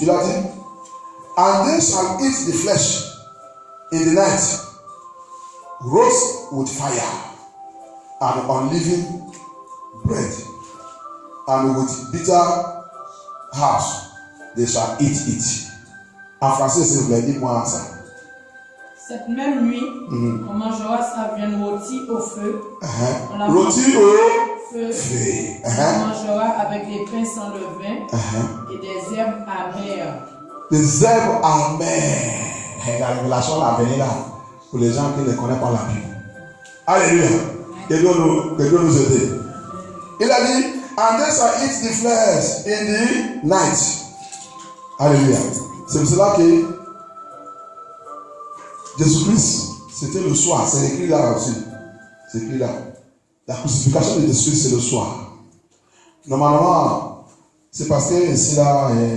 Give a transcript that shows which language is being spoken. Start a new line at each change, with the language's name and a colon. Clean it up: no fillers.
French: Il a dit,
English: and they shall eat the flesh in the night, roast with fire, and unleavened bread, and with bitter herbs, they shall eat it.
French: En français, s'il vous plaît, dites-moi ça. Cette même nuit, on mangera sa viande rôtie au feu. On mangera avec des pains sans levain et des herbes amères. Des herbes amères. La révélation va venir là pour les gens qui ne connaissent pas la Bible. Alléluia. Que Dieu nous aide. Il a dit,
English: and they shall eat the flesh in the night. Alléluia.
French: C'est pour cela que Jésus-Christ, c'était le soir. C'est écrit là aussi. C'est écrit là. La crucifixion de Jésus-Christ, c'est le soir. Normalement, c'est parce que c'est là.